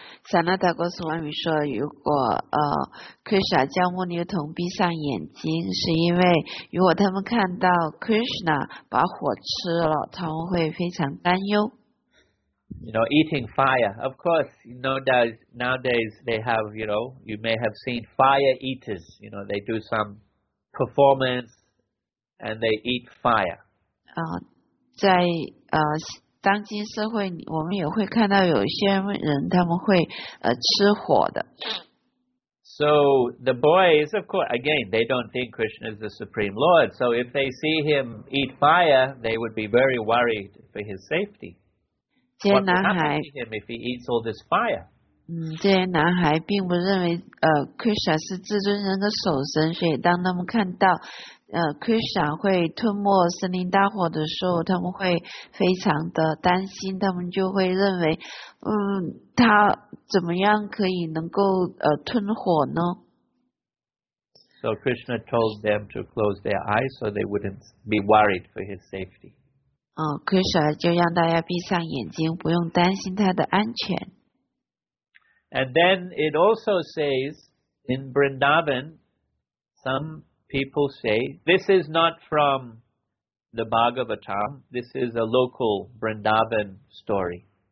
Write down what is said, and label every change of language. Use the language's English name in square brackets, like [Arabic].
[Chinese] Sanatan Goswami 说如果Krishna 将牧牛童闭上眼睛，是因为如果他们看到 Krishna 把火吃了，他们会非常担忧。 [English] You know, eating fire. Of course, you know, nowadays they have, you know, you may have seen fire eaters. You know, they do some performance and they eat fire. [Chinese] 在当今社会，我们也会看到有些人他们会吃火的。 [English] So the boys, of course, again, they don't think Krishna is the Supreme Lord. So if they see him eat fire, they would be very worried for his safety. What would happen to him if he eats all this fire? [Chinese] 这些男孩并不认为Krishna 是至尊人的守神，所以当他们看到Krishna 会吞没森林大火的时候，他们会非常的担心，他们就会认为他怎么样可以能够吞火呢？ [English] So Krishna told them to close their eyes so they wouldn't be worried for his safety. [Chinese] Krishna 就让大家闭上眼睛，不用担心他的安全。 [English] And then it also says in Vrindavan some people say, this is not from the Bhagavatam, this is a local Vrindavan story.